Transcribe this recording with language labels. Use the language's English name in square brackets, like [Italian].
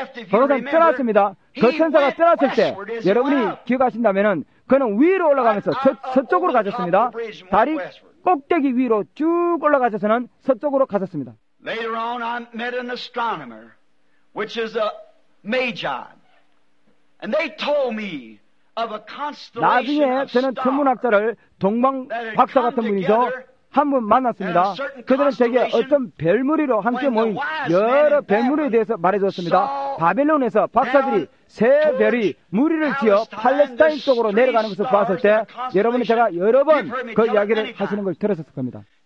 [Korean] 그것은 떠났습니다. 그 천사가 떠났을 때 여러분이 기억하신다면은 그는 위로 올라가면서 서쪽으로 가셨습니다. 다리 꼭대기 위로 쭉 올라가셔서는 서쪽으로 가셨습니다. [English] Later on, I met an astronomer, which is a magi. And they told me of a constellation. [Korean] 나중에 저는 천문학자를 동방 박사 같은 분이죠. 한 분 만났습니다. 그들은 제게 어떤 별무리로 함께 모인 여러 별무리에 대해서 말해주었습니다. 바벨론에서 박사들이 세 별이 무리를 지어 팔레스타인 쪽으로 내려가는 것을 봤을 때 여러분이 제가 여러 번 그 이야기를 하시는 걸 들었을 겁니다.